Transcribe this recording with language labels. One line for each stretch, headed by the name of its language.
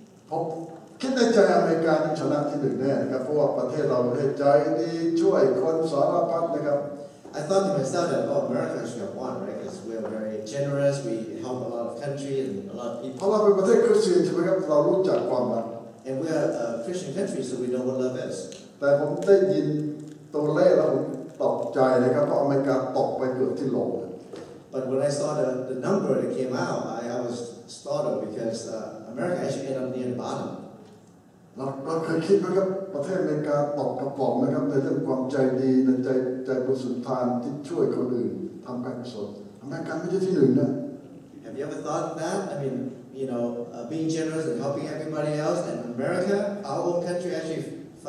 Thai: ผมคิดในใจอเมริกาชนะที่หนึ่งแน่นะครับเพราะว่าประเทศเราประเทศใจดีช่วยคนสารพัดนะครับ
English: I thought to myself that oh, America should have won, right? Because we are very generous, we help a lot of country and a lot of people.
Thai: เพราะเราเป็นประเทศคริสเตียนใช่ไหมครับเรารู้จักความรัก
English: And we are a Christian country, so we know what love is.
Thai: แต่ผมได้ยินตัวเลขแล้วผมตกใจเลยครับเพราะอเมริกาตกไปเกือบที่ลง
English: But when I saw the number that came out, I was startled because America actually ended up near the bottom.
Thai: เราเคยคิดไหมครับประเทศอเมริกาตกกระป๋องนะครับในเรื่องความใจดีในใจบุญสุนทานที่ช่วยคนอื่นทำการกุศลอเมริกาไม่ใช่ที่หนึ่งนะ
English: Have you ever thought that? I mean, you know, being generous and helping everybody else, and America, our own country, actually.